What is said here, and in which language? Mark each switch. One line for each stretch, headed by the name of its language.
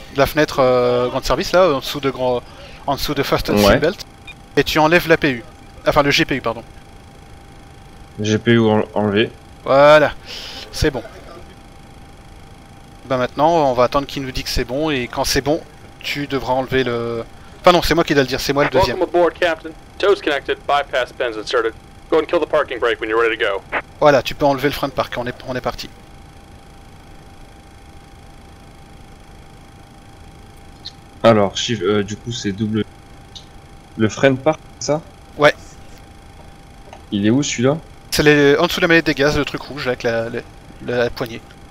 French: La fenêtre grand service, là, en dessous de grand... En dessous de Fast and Seatbelt, ouais. Et tu enlèves l'APU. Enfin, le GPU, pardon. GPU enlevé. Voilà, c'est bon. Ben maintenant, on va attendre qu'il nous dit que c'est bon, et quand c'est bon, tu devras enlever le... Enfin non, c'est moi qui dois le dire, c'est moi le deuxième.
English: Welcome aboard, Captain. Toes connected, bypass pins inserted. Go and kill the parking brake when you're ready to go.
French: Voilà, tu peux enlever le frein de parc, on est parti. Alors, du coup, c'est double. Le frein park, c'est ça? Ouais. Il est où celui-là? C'est en dessous de la mallette des gaz, le truc rouge avec la poignée.